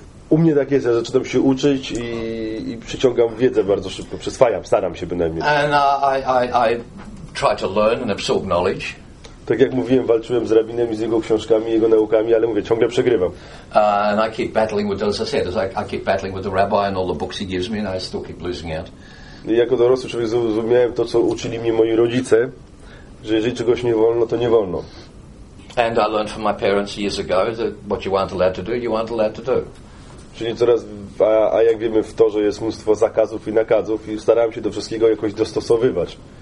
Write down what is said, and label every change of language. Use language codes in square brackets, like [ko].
[pl] U mnie tak jest, ja zaczynam się uczyć i przyciągam wiedzę bardzo szybko, przyswajam, staram się bynajmniej. [en] And I try to learn and absorb knowledge. [pl] Tak jak mówiłem, walczyłem z rabinem i z jego książkami, jego naukami, ale mówię, ciągle przegrywam. [en] And I keep battling with, as I said, as I keep battling with the rabbi and all the books he gives me, and I still keep losing out. [pl] Jako dorosły człowiek zrozumiałem to, co uczyli mnie moi rodzice, że jeżeli czegoś nie wolno, to nie wolno. [en] And I learned from my parents years ago that what you aren't allowed to do, you aren't allowed to do. [pl] Czyli coraz, a jak wiemy, w to, że jest mnóstwo zakazów i nakazów i starałem się do wszystkiego jakoś dostosowywać.